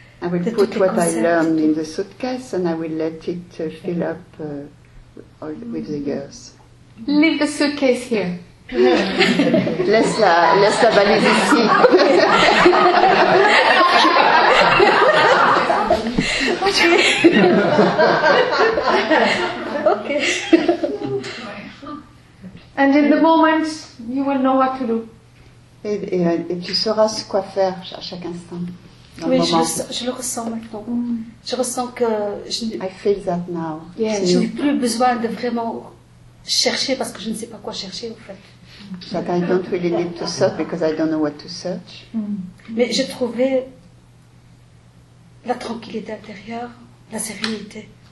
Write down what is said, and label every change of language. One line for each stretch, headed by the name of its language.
English: I will put what I learned in the suitcase and I will let it fill up all with the years. Leave the suitcase here.
French: Laisse la valise ici.
English: Okay. And in the moment, you will know what to do.
French: Et tu sauras quoi faire à chaque instant. Oui, je le ressens maintenant. Mm. Je ressens que
English: I feel that now. Yes.
French: Je n'ai plus besoin de vraiment chercher parce que je ne sais pas quoi chercher en fait.
English: But I don't really need to search because I don't know what to search. Mm.
French: Mais j'ai trouvé la tranquillité intérieure, la sérénité.